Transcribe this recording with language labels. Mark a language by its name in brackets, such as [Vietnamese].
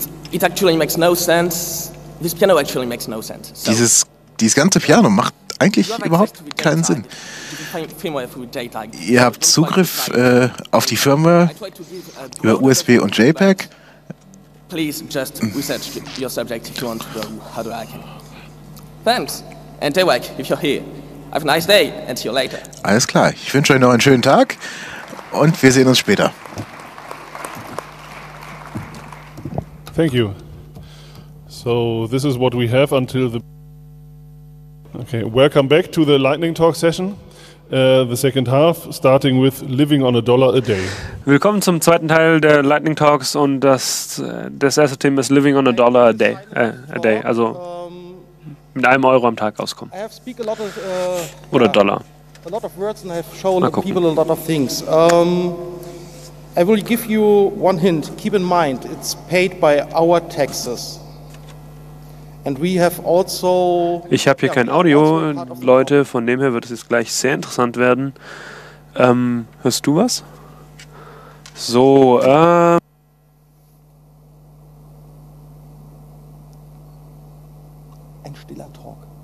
[English] It actually makes no sense. this piano actually makes no sense. [German] So dieses ganze Piano macht eigentlich überhaupt keinen Sinn. Ihr habt Zugriff auf die Firmware über USB und JPEG. [English] Please just research your subject if you want to know how to hack. Thanks. And stay awake if you're here. Have a nice day and see you later. [German] Alles klar. Ich wünsche euch noch einen schönen Tag und wir sehen uns später. [English] Thank you. So this is what we have until the... Okay, welcome back to the Lightning Talk session. The second half, starting with living on a dollar a day. [German] Willkommen zum zweiten Teil der Lightning Talks und das erste Thema ist [English] living on a dollar a day. [German] Also mit einem Euro am Tag auskommen. Oder Dollar. [English] A lot of words and I have shown people a lot of things. I will give you one hint. Keep in mind, it's paid by our taxes. And we have also, [German] ich habe hier kein Audio, Leute, von dem her wird es jetzt gleich sehr interessant werden. Hörst du was? So, ein stiller Talk.